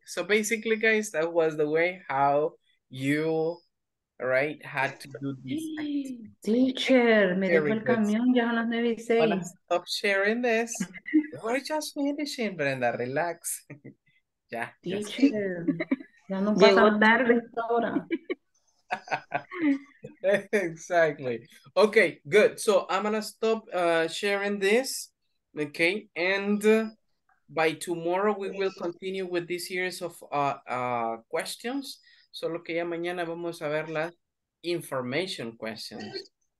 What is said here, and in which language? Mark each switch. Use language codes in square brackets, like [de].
[en] So basically, guys, that was the way how you, right, had to do this. [es] Teacher, me dejó el camión, ya son las 9 y 6. [en] Stop sharing this. We're just finishing, Brenda. Relax. Ya. [es] Teacher. Ya no puedo dar de esta hora. [en] Exactly. Okay, good. So I'm going to stop sharing this. Okay. And by tomorrow, we will continue with this series of questions. [es] Solo que ya mañana vamos a ver las information questions.